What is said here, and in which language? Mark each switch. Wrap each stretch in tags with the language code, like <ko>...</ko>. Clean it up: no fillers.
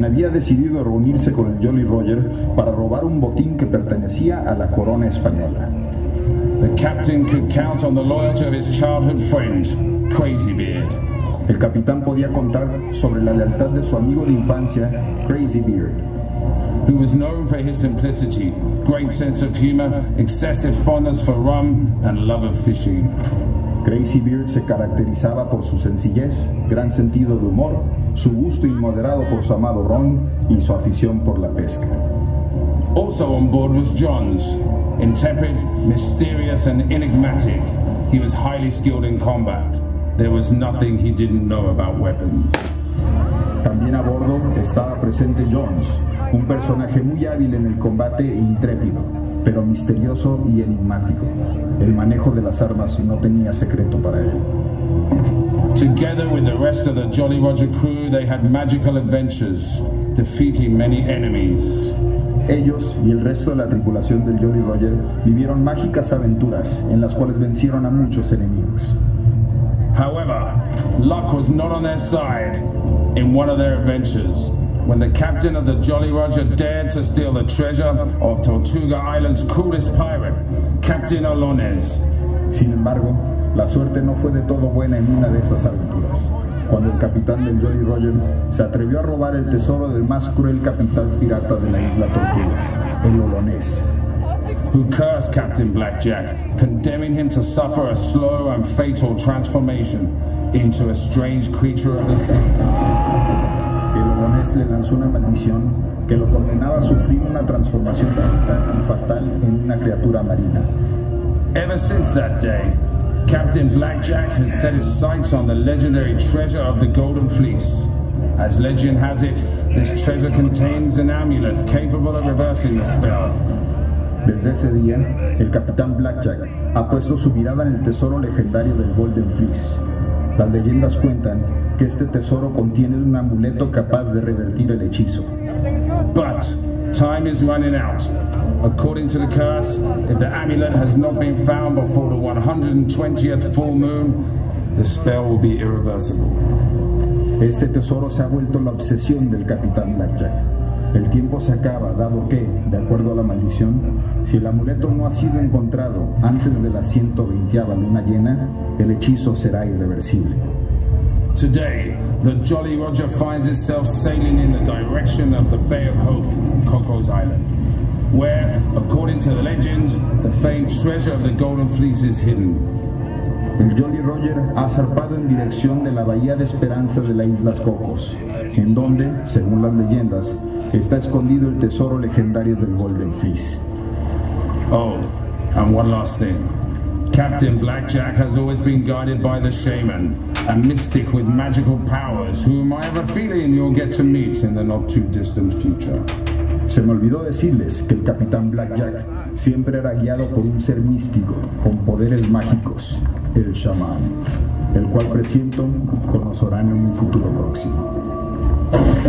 <es>Decidido reunirse con el Jolly Roger para robar un botín que pertenecía a la corona española.</es> <en>The captain could count on the loyalty of his childhood friend, Crazy Beard.</en> <es>El capitán podía contar sobre la lealtad de su amigo de infancia, Crazy Beard.</es> <en>Who was known for his simplicity, great sense of humor, excessive fondness for rum and love of fishing.</en> <es>Crazy Beard se caracterizaba por su sencillez, gran sentido de humor, su gusto inmoderado por su amado ron y su afición por la pesca.</es> <en>Also on board was Johns, intrepid, mysterious and enigmatic. He was highly skilled in combat. There was nothing he didn't know about weapons.</en> <es>También a bordo estaba presente Johns, un personaje muy hábil en el combate e intrépido, pero misterioso y enigmático. El manejo de las armas no tenía secreto para él.</es> <en>Together with the rest of the Jolly Roger crew, they had magical adventures, defeating many enemies.</en> <es>Ellos y el resto de la tripulación del Jolly Roger vivieron mágicas aventuras en las cuales vencieron a muchos enemigos.</es> <en>However, luck was not on their side in one of their adventures. When the captain of the Jolly Roger dared to steal the treasure of Tortuga Island's coolest pirate, Captain Olones.</en> <es>Sin embargo, la suerte no fue de todo buena en una de esas aventuras, cuando el capitán del Jolly Roger se atrevió a robar el tesoro del más cruel capitán pirata de la isla Tortuga, el Olones.</es> <en>Who cursed Captain Blackjack, condemning him to suffer a slow and fatal transformation into a strange creature of the sea.</en> <es>Le lanzó una maldición que lo condenaba a sufrir una transformación tan fatal en una criatura marina.</es> <en>Ever since that day, Captain Blackjack has set his sights on the legendary treasure of the Golden Fleece. As legend has it, this treasure contains an amulet capable of reversing the spell.</en> <es>Desde ese día, el Capitán Blackjack ha puesto su mirada en el tesoro legendario del Golden Fleece. Las leyendas cuentan que este tesoro contiene un amuleto capaz de revertir el hechizo.</es> <en>But time is running out. According to the curse, if the amulet has not been found before the 120th full moon, the spell will be irreversible.</en> <es>Este tesoro se ha vuelto la obsesión del Capitán Blackjack. El tiempo se acaba, dado que, de acuerdo a la maldición, si el amuleto no ha sido encontrado antes de la 120ª luna llena, el hechizo será irreversible.</es> <en>Today, the Jolly Roger finds itself sailing in the direction of the Bay of Hope, Coco's Island, where, according to the legend, the famed treasure of the Golden Fleece is hidden.</en> <es>El Jolly Roger ha zarpado en dirección de la Bahía de Esperanza de las Islas Cocos, en donde, según las leyendas, está escondido el tesoro legendario del Golden Fleece.</es> <en>Oh, and one last thing. Captain Blackjack has always been guided by the Shaman, a mystic with magical powers, whom I have a feeling you'll get to meet in the not too distant future.</en> <es>Se me olvidó decirles que el Capitán Blackjack siempre era guiado por un ser místico con poderes mágicos, el Shaman, el cual presiento conocerán en un futuro próximo.</es>